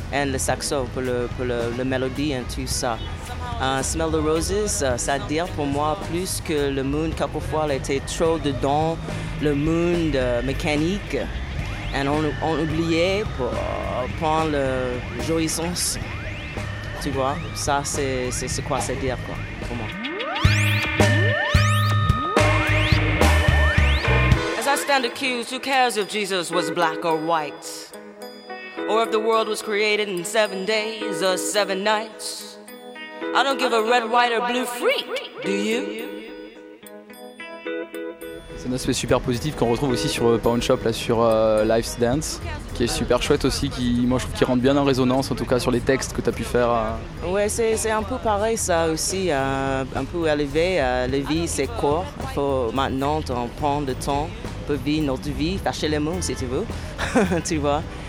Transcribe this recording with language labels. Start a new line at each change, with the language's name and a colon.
French: Et le saxo, pour le mélodie et tout ça. Smell the Roses, ça veut dire pour moi plus que le monde, quelquefois, était trop dedans, le monde mécanique. Et on oubliait pour prendre la jouissance. Tu vois, ça, c'est quoi ça veut dire, quoi, pour moi.
English: I stand accused, who cares if Jesus was black or white, or if the world was created in 7 days or 7 nights. I don't give a red, white or blue freak, do you?
French: C'est un aspect super positif qu'on retrouve aussi sur Pawn Shop, là, sur Life's Dance, qui est super chouette aussi, qui, moi je trouve qu'il rentre bien en résonance, en tout cas sur les textes que tu as pu faire. Ouais, c'est un peu pareil ça aussi, un peu élevé. La vie c'est court, il faut maintenant en prendre le temps pour vivre notre vie, chercher les mots si tu veux, tu vois.